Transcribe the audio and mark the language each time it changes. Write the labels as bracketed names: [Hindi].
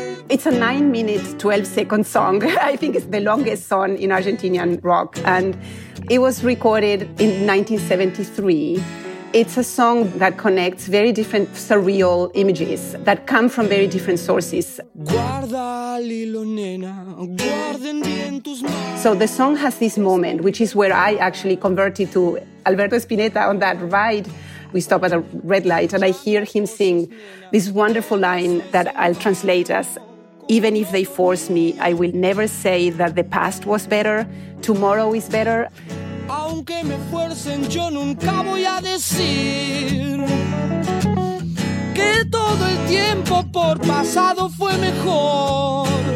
[English] It's a 9-minute, 12-second song. I think it's the longest song in Argentinian rock. And it was recorded in 1973. It's a song that connects very different surreal images that come from very different sources. [Spanish] Guarda el hilo, nena, guarden bien tus manos. [English] So the song has this moment, which is where I actually converted to Alberto Spinetta on that ride. We stop at a red light and I hear him sing this wonderful line that I'll translate as, even if they force me, I will never say that the past was better, tomorrow is better. [Spanish] Aunque me fuercen, yo nunca voy a decir que todo el tiempo por pasado fue mejor.